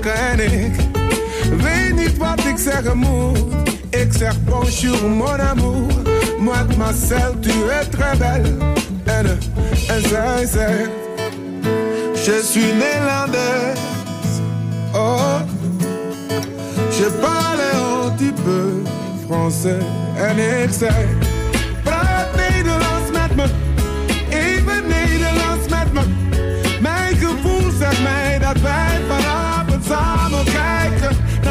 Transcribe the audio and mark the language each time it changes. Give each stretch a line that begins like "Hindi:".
Dutch: En ik weet niet wat ik zeggen moet. Ik zeg
French: bonjour mon amour. Mademoiselle, tu es très belle.
Dutch: En zij zegt,
French: je suis Nederlandaise. Oh, je parle un petit peu français.
Dutch: En ik zei, praat Nederlands met me. Even Nederlands met me. Mijn gevoel zegt mij dat wij vanavond samen kijken.